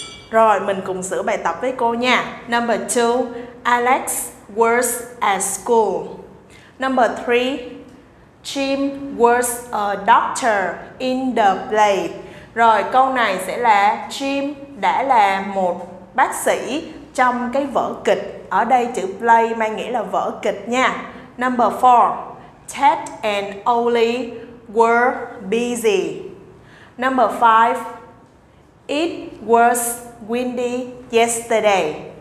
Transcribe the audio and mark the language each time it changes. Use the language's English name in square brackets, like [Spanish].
[Vietnamese] Rồi mình cùng sửa bài tập với cô nha. [English] Number 2, Alex was at school. Number 3, Jim was a doctor in the play. [Vietnamese] Rồi câu này sẽ là Jim đã là một bác sĩ trong cái vở kịch. Ở đây chữ play mang nghĩa là vở kịch nha. [English] Number 4, Ted and Ollie were busy. Number 5, it was windy yesterday.